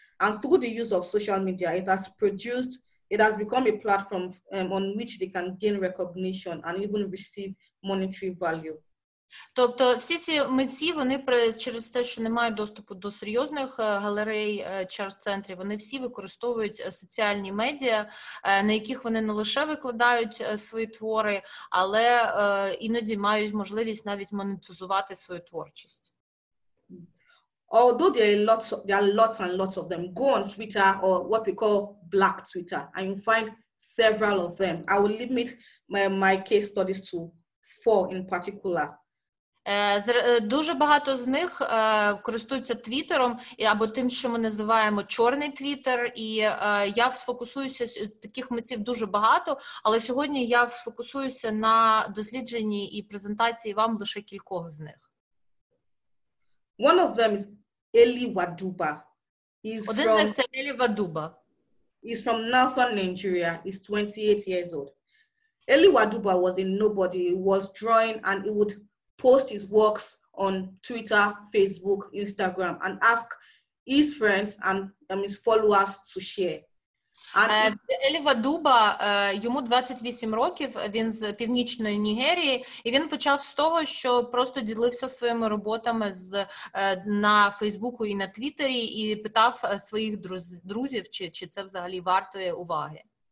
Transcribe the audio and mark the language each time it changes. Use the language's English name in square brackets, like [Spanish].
[English] And through the use of social media, it has become a platform on which they can gain recognition and even receive monetary value. [Ukrainian] Тобто всі ці митці, вони через те, що не мають доступу до серйозних галерей чи арт-центрів, вони всі використовують соціальні медіа, на яких вони не лише викладають свої твори, але іноді мають можливість навіть монетизувати свою творчість. [English] Although there are lots and lots of them, go on Twitter or what we call black Twitter and you find several of them. I will limit my case studies to four in particular. [Ukrainian] Дуже багато з них користуються Твіттером або тим, що ми називаємо чорний Твіттер, і я сфокусуюся, таких митців дуже багато, але сьогодні я сфокусуюся на дослідженні і презентації вам лише кількох з них. [English] One of them is Eli Wadouba. [Ukrainian] Один з них – це Eli Wadouba. [English] He's from Northern Nigeria, he's 28 years old. Eli Wadouba was a nobody, he was drawing and he would post his works on Twitter, Facebook, Instagram, and ask his friends and his followers to share. [Ukrainian] Елі Вадуба, йому 28 років, він з північної Нігерії, і він почав з того, що просто ділився своїми роботами на Фейсбуку і на Твіттері, і питав своїх друзів, чи це взагалі вартує уваги.